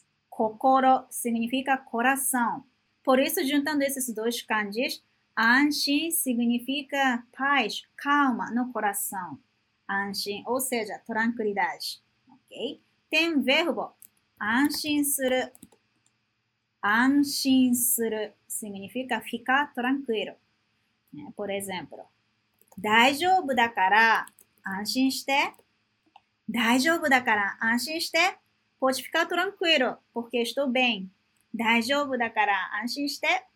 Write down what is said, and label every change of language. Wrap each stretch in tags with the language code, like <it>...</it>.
<pt>心 significa coração. Por isso, juntando esses dois 漢字, 安心 significa paz, calma no coração. 安心, ou seja, tranquilidade. Ok? Tem verbo 安心する。安心する significa ficar tranquilo. Por exemplo,</pt> <ja>大丈夫だから安心して。大丈夫だから安心して。</ja> <pt>Pode ficar tranquilo, porque estou bem.</pt> <ja>大丈夫だから安心して。</ja>